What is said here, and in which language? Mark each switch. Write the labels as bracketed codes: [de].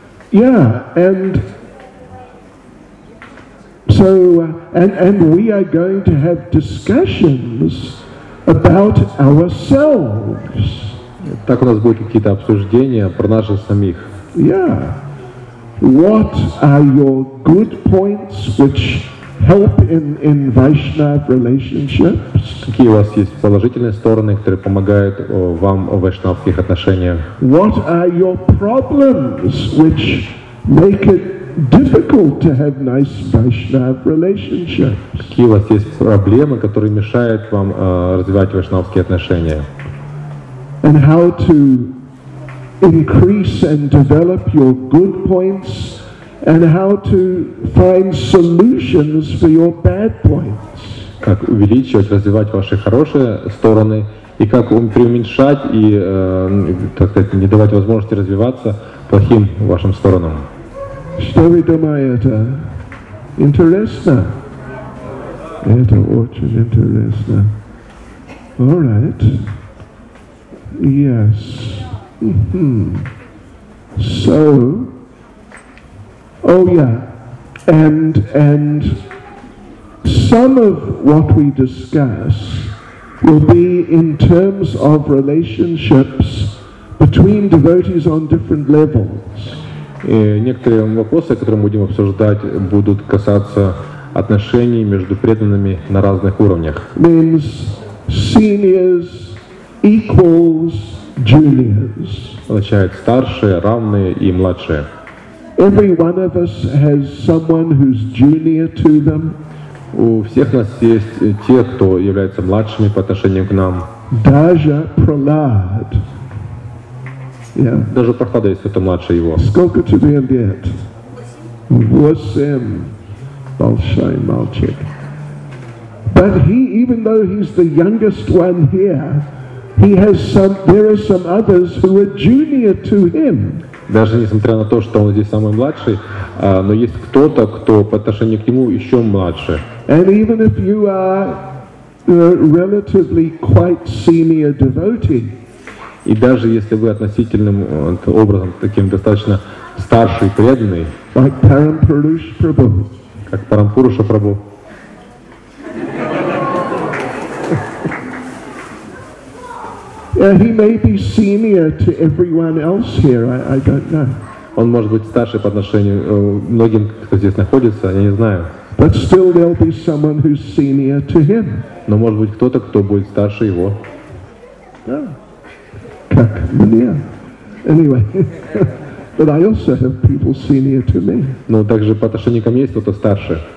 [en] Yeah, and so and we are going to have discussions about ourselves. [ru] Так у нас будут какие-то обсуждения про нас самих. [en] Yeah. What are your good points which help in Vaishnava relationships? [ru] Какие у вас есть положительные стороны, которые помогают вам в вайшнавских отношениях? [en] What are your problems which make it difficult to have nice Vaishnava relationships? [ru] Какие у вас есть проблемы, которые мешают вам развивать вайшнавские отношения? [en] And how to increase and develop your good points? And how to find solutions for your bad points? [ru] Как увеличивать, развивать ваши хорошие стороны и как преуменьшать и так сказать, не давать возможности развиваться плохим вашим сторонам? Что вы думаете? Интересно? Это очень интересно. [en] All right. Yes. So. Oh yeah, and some of what we discuss will be in terms of relationships between devotees on different levels. [ru] И некоторые вопросы, которые мы будем обсуждать, будут касаться отношений между преданными на разных уровнях. [en] Means seniors equals juniors. [ru] Означает старшие, равные и младшие. [en] Every one of us has someone who's junior to them. [ru] У всех нас есть те, кто является младшими по отношению к нам. Даже Прохлад. Yeah. Даже Прохлада есть кто-то младше его. Сколько тебе лет? 8. Большой мальчик. [en] But he, even though he's the youngest one here, he has some. There are some others who are junior to him. [ru] Даже несмотря на то, что он здесь самый младший, но есть кто-то, кто по отношению к нему еще младше. [en] And even if you are relatively quite senior devotee, [ru] и даже если вы относительным образом таким достаточно старший преданный, [en] like Парампуруша Прабху, [ru] как Парампуруша Прабху, [en] he may be senior to everyone else here. I don't know. [ru] Он может быть старше по отношению многим, кто здесь находится. Я не знаю. [en] But still, there'll be someone who's senior to him. [ru] Но может быть кто-то, кто будет старше его. Да. Как мне? Anyway. [en] But I also have people senior to me. [ru] Но также по отношению ко мне есть кто-то старше.